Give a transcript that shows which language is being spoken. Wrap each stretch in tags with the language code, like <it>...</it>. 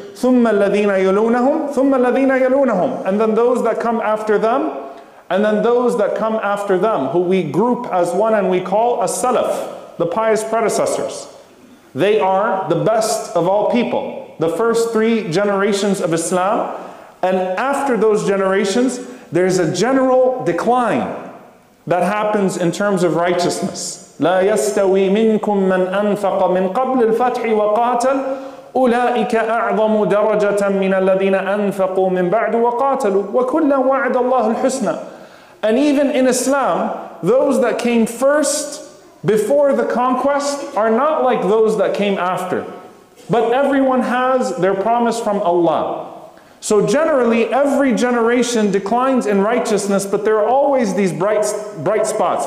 <ar>ثُمَّ الَّذِينَ يَلُونَهُمْ ثُمَّ الَّذِينَ يَلُونَهُمْ,</ar> <en>and then those that come after them, and then those that come after them, who we group as one and we call as salaf, the pious predecessors. They are the best of all people, the first three generations of Islam, and after those generations, there's a general decline that happens in terms of righteousness.</en> <ar>لا يستوي منكم من أنفق من قبل الفتح وقاتل أولئك أعظم درجة من الذين أنفقوا من بعد وقاتلوا وكل وعد الله الحسنى.</ar> <en>And even in Islam, those that came first before the conquest are not like those that came after. But everyone has their promise from Allah. So generally, every generation declines in righteousness, but there are always these bright spots.</en>